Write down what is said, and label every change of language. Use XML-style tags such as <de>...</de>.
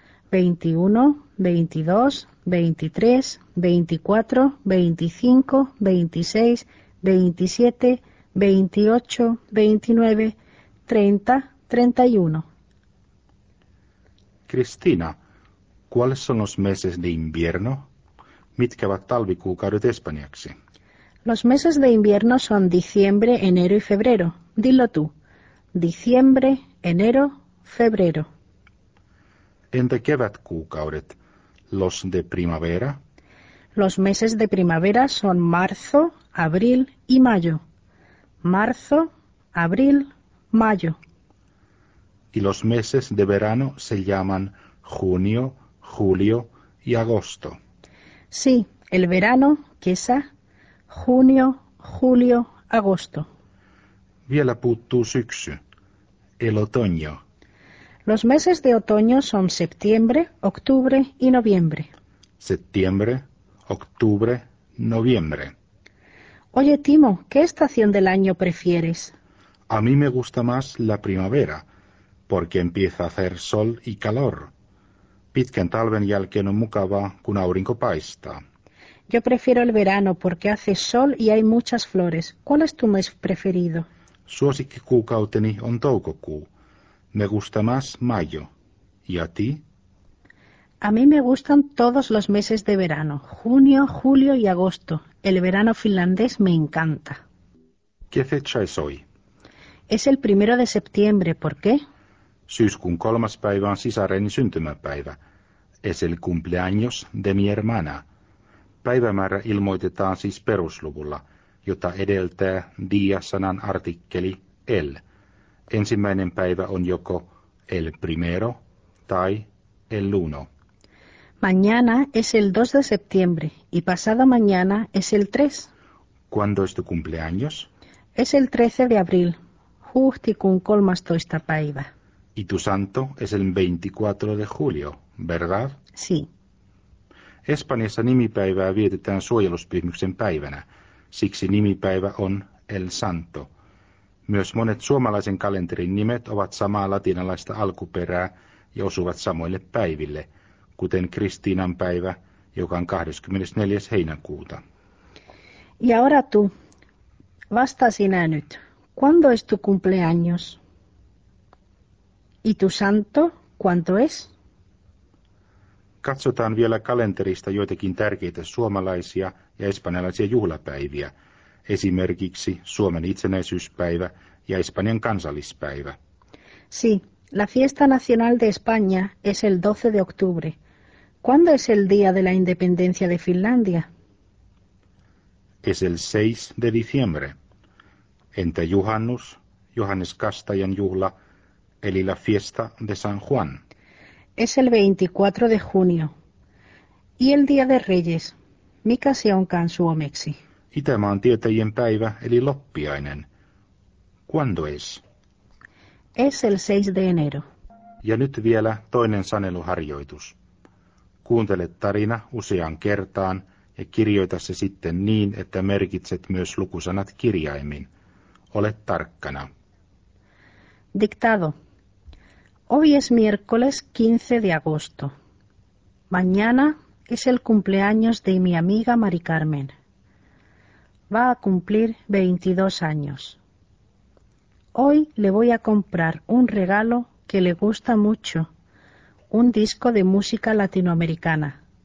<es>21, 22, 23, 24, 25, 26, 27, 28, 29, 30, 31. Cristina, ¿cuáles son los meses de invierno?</es> <fi>¿Mitkä ovat talvikuukaudet espanjaksi?</fi> <es>Los meses de invierno son diciembre, enero y febrero. Dilo tú. Diciembre, enero, febrero.</es> <fi>Entä kevätkuukaudet?</fi> <es>Los de primavera. Los meses de primavera son marzo, abril y mayo. Marzo, abril, mayo. Y los meses de verano se llaman junio, julio y agosto. Sí, el verano, que es junio, julio, agosto.</es> <fi>Vielä puuttuu syksy.</fi> <es>El otoño. Los meses de otoño son septiembre, octubre y noviembre. Septiembre, octubre, noviembre. Oye, Timo, ¿qué estación del año prefieres? A mí me gusta más la primavera, porque empieza a hacer sol y calor.</es> <fi>Pitkän talven jälkeen on mukavaa, kun aurinko paistaa.</fi> <es>Yo prefiero el verano, porque hace sol y hay muchas flores. ¿Cuál es tu mes preferido?</es> <fi>Suosikkikuukauteni on toukokuu.</fi> <es>Me gusta más mayo. ¿Y a ti? A mí me gustan todos los meses de verano, junio, julio y agosto. El verano finlandés me encanta. ¿Qué fecha es hoy? Es el 1 de septiembre, ¿por qué?</es> <fi>Syyskuun 3. päivä on sisareni syntymäpäivä.</fi> <es>Es el cumpleaños de mi hermana.</es> <fi>Päivämäärä ilmoitetaan siis perusluvulla, jota edeltää dia-sanan artikkeli el. Ensimmäinen päivä on joko el primero tai el uno.</fi> <es>Mañana es el 2 de septiembre y pasado mañana es el 3. ¿Cuándo es tu cumpleaños? Es el 13 de abril.</es> <fi>Huhtikuun 13. päivä.</fi> <es>Y tu santo es el 24 de julio, ¿verdad? Sí.</es> <fi>Espanjassa nimipäivää vietetään suojeluspyhimyksen päivänä. Siksi nimipäivä on El Santo. Myös monet suomalaisen kalenterin nimet ovat samaa latinalaista alkuperää ja osuvat samoille päiville, kuten Kristiinan päivä, joka on 24. heinäkuuta. Ja ora tu, vasta sinä nyt.</fi> <es>¿Cuándo es tu cumpleaños? ¿Y tu santo, cuánto es?</es> <fi>Katsotaan vielä kalenterista joitakin tärkeitä suomalaisia ja espanjalaisia juhlapäiviä, esimerkiksi Suomen itsenäisyyspäivä ja Espanjan kansallispäivä.</fi> <es>Sí, la fiesta nacional de España es el 12 de octubre. ¿Cuándo es el día de la independencia de Finlandia? Es el 6 de diciembre. Entre</es> <fi>juhannus, Johannes Kastajan juhla, eli</fi> <es>la fiesta de San Juan. Es el 24 de junio. ¿Y el Día de Reyes?</es> <fi>¿Mikä se onkaan suomeksi? Itämaan tietäjien päivä, eli loppiainen.</fi> <es>¿Cuándo es? Es el 6 de enero.</es> <fi>Ja nyt vielä toinen saneluharjoitus. Kuuntele tarina useaan kertaan ja kirjoita se sitten niin, että merkitset myös lukusanat kirjaimin. Ole tarkkana.</fi> <es>Dictado. Hoy es miércoles 15 de agosto. Mañana es el cumpleaños de mi amiga Mari Carmen. Va a cumplir 22 años. Hoy le voy a comprar un regalo que le gusta mucho, un disco de música latinoamericana.</es>